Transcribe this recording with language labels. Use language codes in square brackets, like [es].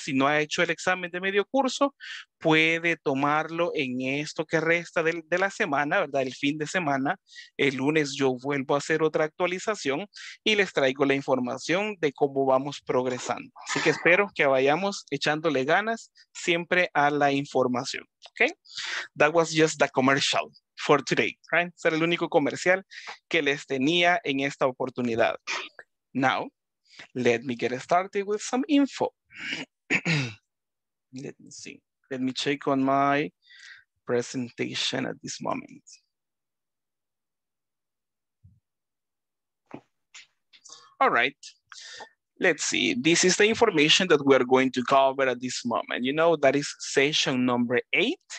[es] Si no ha hecho el examen de medio curso, puede tomarlo en esto que resta de la semana, ¿verdad? El fin de semana, el lunes yo vuelvo a hacer otra actualización y les traigo la información de cómo vamos progresando. Así que espero que vayamos echándole ganas siempre a la información, ¿ok? [en] That was just the commercial for today, right? [es] Ser el único comercial que les tenía en esta oportunidad. [en] Now, let me get started with some info. Let me see. Let me check on my presentation at this moment. All right. Let's see. This is the information that we are going to cover at this moment. You know, that is session number 8.